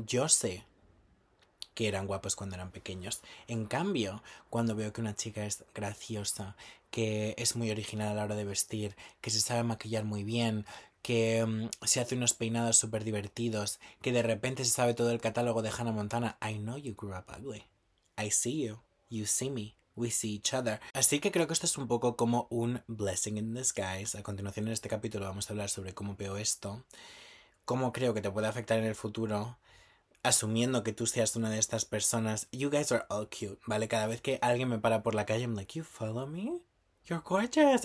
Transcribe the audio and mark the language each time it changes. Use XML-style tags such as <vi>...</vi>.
<es>Yo sé que eran guapos cuando eran pequeños. En cambio, cuando veo que una chica es graciosa, que es muy original a la hora de vestir, que se sabe maquillar muy bien, que se hace unos peinados súper divertidos, que de repente se sabe todo el catálogo de Hannah Montana.</es> <en>I know you grew up ugly. I see you. You see me. We see each other.</en> <es>Así que creo que esto es un poco como un blessing in disguise. A continuación en este capítulo vamos a hablar sobre cómo veo esto, cómo creo que te puede afectar en el futuro, asumiendo que tú seas una de estas personas.</es> <en>You guys are all cute, ¿vale? Cada vez que alguien me para por la calle, I'm like, you follow me? You're gorgeous.</en>